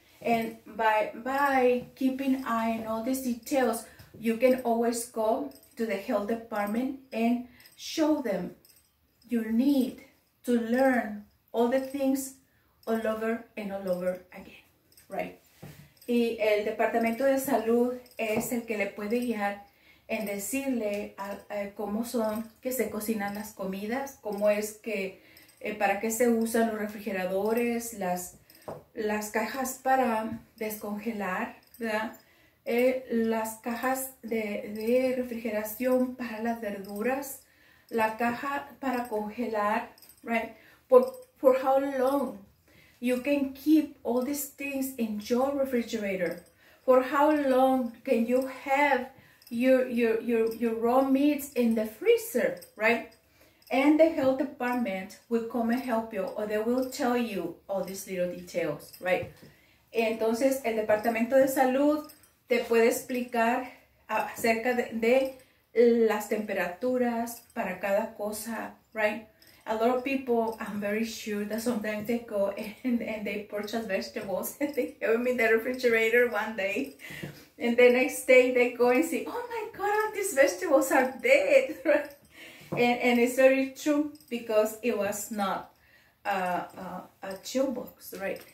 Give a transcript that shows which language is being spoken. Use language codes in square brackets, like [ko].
[en] And by keeping eye on all these details, you can always go to the health department and show them your need to learn all the things all over and all over again, right? [es] Y el departamento de salud es el que le puede guiar en decirle a cómo son que se cocinan las comidas, cómo es que, para qué se usan los refrigeradores, las cajas para descongelar, ¿verdad? Las cajas de refrigeración para las verduras, la caja para congelar, [en] right? For how long you can keep all these things in your refrigerator? For how long can you have your raw meats in the freezer, right? And the health department will come and help you, or they will tell you all these little details, right? [es] Entonces, el departamento de salud te puede explicar acerca de las temperaturas para cada cosa, [en] right? A lot of people, I'm very sure that sometimes they go and they purchase vegetables and they have them in the refrigerator one day. And the next day they go and see, oh my God, these vegetables are dead, right? And it's very true because it was not a chill box, right?